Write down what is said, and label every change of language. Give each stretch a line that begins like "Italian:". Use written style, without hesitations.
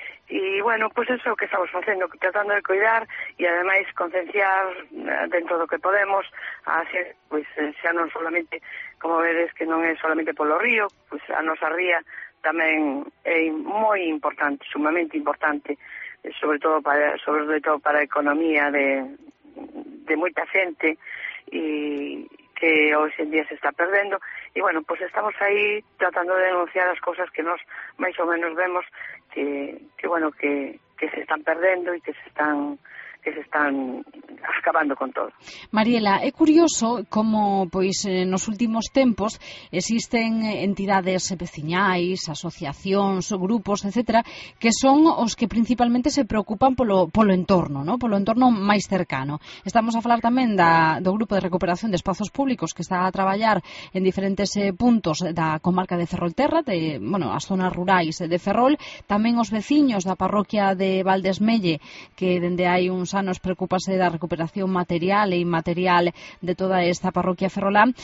Galician: E, bueno, pois pues eso que estamos facendo, tratando de cuidar e, ademais, concienciar dentro do que podemos, xa non solamente, como vedes, que non é solamente polo río, pois a nosa ría tamén é moi importante, sumamente importante, sobre todo para a economía de moita xente,
Spanish: y que hoy en día se está perdiendo. Y bueno, pues estamos ahí tratando de denunciar las cosas que nos más o menos vemos que bueno, que se están perdiendo y que se están que se están acabando con todo.
Galician: Mariela, é curioso como, pois, nos últimos tempos existen entidades veciñais, asociacións, grupos, etcétera, que son os que principalmente se preocupan polo entorno, ¿no? Polo entorno máis cercano. Estamos a falar tamén do grupo de recuperación de espazos públicos que está a traballar en diferentes puntos da comarca de Ferrolterra, as zonas rurais de Ferrol, tamén os veciños da parroquia de Valdesmelle, que dende hai uns anos preocupase da recuperación material e inmaterial de toda esta parroquia ferrolá.